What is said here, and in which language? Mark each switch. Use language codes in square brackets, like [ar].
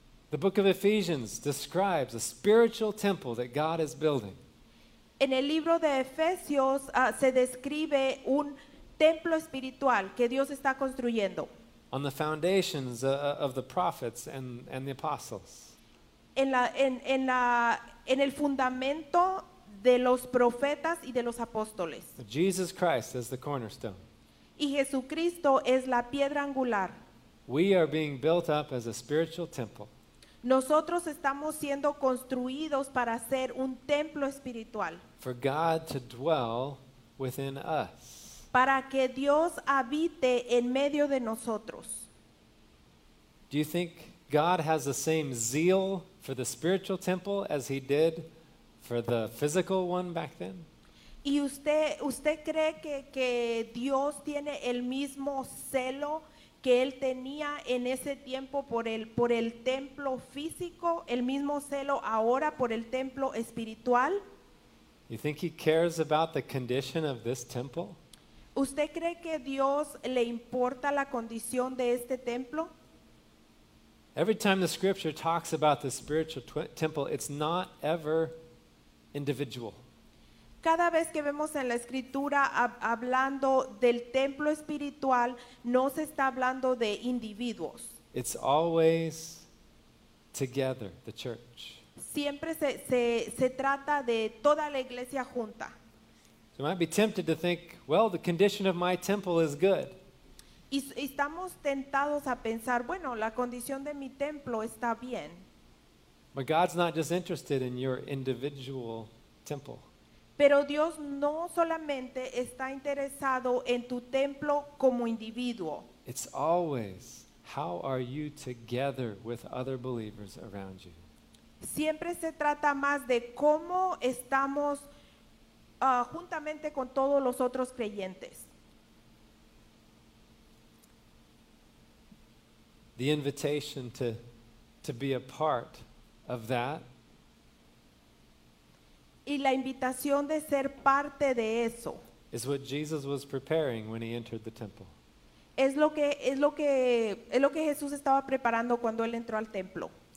[en] The book of Ephesians describes a spiritual temple that God is building. [es] En el libro de Efesios se describe un templo espiritual que Dios está construyendo. [en] On the foundations of the prophets and the apostles. [es] En el fundamento de los profetas y de los apóstoles. [en] Jesus Christ is the cornerstone. [es] Y Jesucristo es la piedra angular. [en] We are being built up as a spiritual temple. [es] Nosotros estamos siendo construidos para ser un templo espiritual. [en] For God to dwell within us. [es] Para que Dios habite en medio de nosotros. [en] Do you think God has the same zeal for the spiritual temple as he did for the physical one back then? [es] ¿Y usted cree que Dios tiene el mismo celo que él tenía en ese tiempo por el templo físico, el mismo celo ahora por el templo espiritual? [en] You think he cares about the condition of this temple? [es] ¿Usted cree que Dios le importa la condición de este templo? [en] Every time the scripture talks about the spiritual temple, it's not ever individual. [es] Cada vez que vemos en la escritura hablando del templo espiritual, no se está hablando de individuos. [en] It's always together, the church. [es] Siempre se trata de toda la iglesia junta. [en] You might be tempted to think, well, the condition of my temple is good. [es] Y estamos tentados a pensar, bueno, la condición de mi templo está bien. [en] But God's not just interested in your individual temple. [es] Pero Dios no solamente está interesado en tu templo como individuo. [en] It's always, how are you together with other believers around you? [es] Siempre se trata más de cómo estamos juntamente con todos los otros creyentes. [en] The invitation to be a part of that. [es] Y la invitación de ser parte de eso. [en] Is what Jesus was preparing when he entered the temple. [es] Es lo que Jesús estaba preparando cuando él entró al templo.